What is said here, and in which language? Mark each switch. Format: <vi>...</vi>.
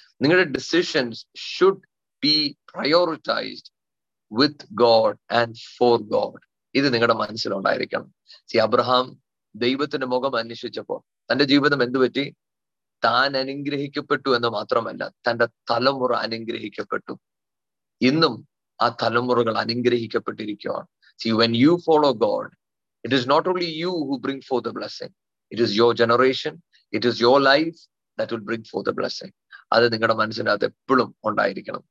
<ml>നിങ്ങളുടെ</ml> <en>Decisions should be prioritized with God and for God.</en> <ml>ഇത് നിങ്ങളുടെ മനസ്സിലുണ്ടായിരിക്കണം. സി അബ്രഹാം ദൈവത്തിന്റെ മുഖം അന്വേഷിച്ചപ്പോൾ തന്റെ ജീവിതം എന്തുപറ്റി? താൻ അനുഗ്രഹിക്കപ്പെട്ടു എന്ന് മാത്രമല്ല, തന്റെ തലമുറ അനുഗ്രഹിക്കപ്പെട്ടു. ഇന്നും ആ തലമുറകൾ അനുഗ്രഹിക്കപ്പെട്ടിരിക്കുകയാണ്.</ml> <en>See, when you follow God, it is not only you who bring forth the blessing. It is your generation, it is your life that will bring forth the blessing.</en> <ml>അത് നിങ്ങളുടെ മനസ്സിനകത്ത് എപ്പോഴും ഉണ്ടായിരിക്കണം.</ml>